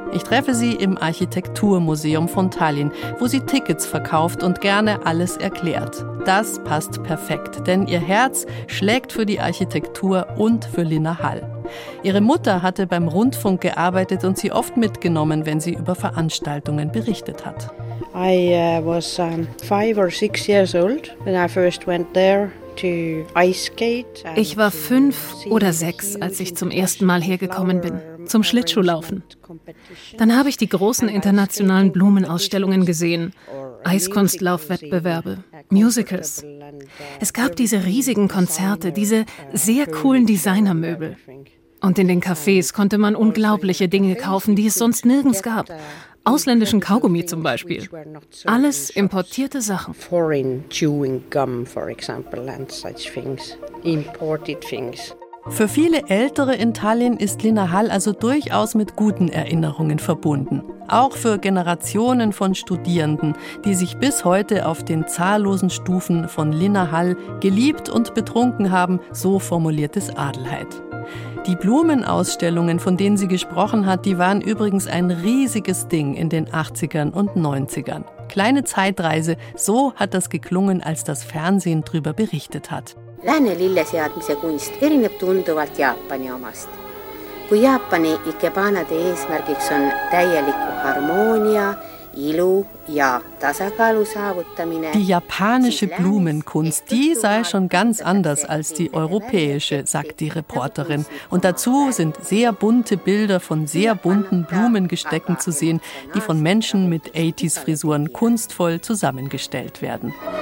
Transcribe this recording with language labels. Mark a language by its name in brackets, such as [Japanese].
[German] Ich treffe sie im Architekturmuseum von Tallinn, wo sie Tickets verkauft und gerne alles erklärt. Das passt perfekt, denn ihr Herz schlägt für die Architektur und für Linna Hall. Ihre Mutter hatte beim Rundfunk gearbeitet und sie oft mitgenommen, wenn sie über Veranstaltungen berichtet hat. [English] I was 5 or 6 years old when I first went there. [German] Ich war 5 oder 6, als ich zum ersten Mal hergekommen bin. zum Schlittschuhlaufen. Dann habe ich die großen internationalen Blumenausstellungen gesehen, Eiskunstlaufwettbewerbe, Musicals. Es gab diese riesigen Konzerte, diese sehr coolen Designermöbel. Und in den Cafés konnte man unglaubliche Dinge kaufen, die es sonst nirgends gab. Ausländischen Kaugummi zum Beispiel. Alles importierte Sachen. [English] Foreign chewing gum, for example, and such things. Imported things. [German] Für viele Ältere in Tallinn ist Linna Hall also durchaus mit guten Erinnerungen verbunden. Auch für Generationen von Studierenden, die sich bis heute auf den zahllosen Stufen von Linna Hall geliebt und betrunken haben, so formuliert es Adelheid. Die Blumenausstellungen, von denen sie gesprochen hat, die waren übrigens ein riesiges Ding in den 80ern und 90ern. Kleine Zeitreise, so hat das geklungen, als das Fernsehen drüber berichtet hat. [Estonian] Lääne lilleseadmise kunst erineb tunduvalt Jaapani omast. Kui Jaapani ikebanade eesmärgiks on täieliku harmoonia, ilu ja tasakaalu saavutamine. [German] Die japanische Blumenkunst, die sei schon ganz anders als die europäische, sagt die Reporterin. Und dazu sind sehr bunte Bilder von sehr bunten Blumengestecken zu sehen, die von Menschen mit 80s-Frisuren kunstvoll zusammengestellt werden.